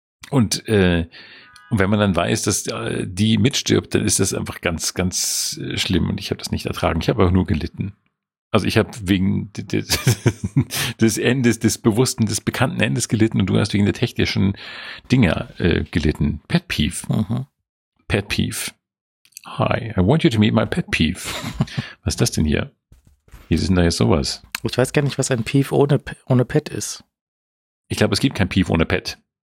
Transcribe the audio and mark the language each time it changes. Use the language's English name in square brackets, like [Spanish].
[German] Und wenn man dann weiß, dass die mitstirbt, dann ist das einfach ganz, ganz schlimm. Und ich habe das nicht ertragen. Ich habe auch nur gelitten. Also ich habe wegen des Endes, des bewussten, des bekannten Endes gelitten und du hast wegen der technischen Dinger gelitten. [English] Pet Peeve. Mhm. Pet Peeve. Hi, I want you to meet my Pet Peeve. [German] Was ist das denn hier? Wie ist denn da jetzt sowas? Ich weiß gar nicht, was ein Peeve ohne Pet ist. Ich glaube, es gibt kein Peeve ohne Pet.